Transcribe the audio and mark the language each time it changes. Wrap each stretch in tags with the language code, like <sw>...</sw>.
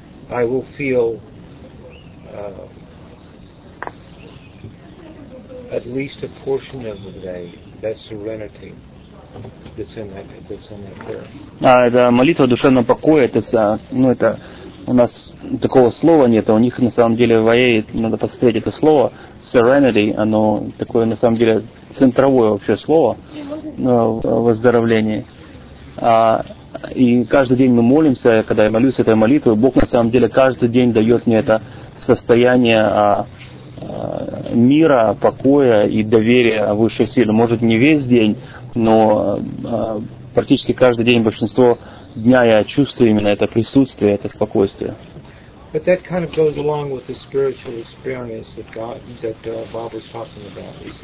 <en>I will feel at least a portion of the day that serenity that's in that prayer.</en> <ru>Это молитва о душевном покое, это у нас такого слова нет, а у них на самом деле в АЭ, надо посмотреть это слово, serenity, оно такое на самом деле центровое вообще слово выздоровление. И каждый день мы молимся, когда я молюсь этой молитвой, Бог на самом деле каждый день дает мне это состояние мира, покоя и доверия высшей силе. Может, не весь день, но практически каждый день большинство дня я чувствую именно это присутствие, это спокойствие.</ru> <en>But that kind of goes along with the spiritual experience that God, that Bob was talking about.</en>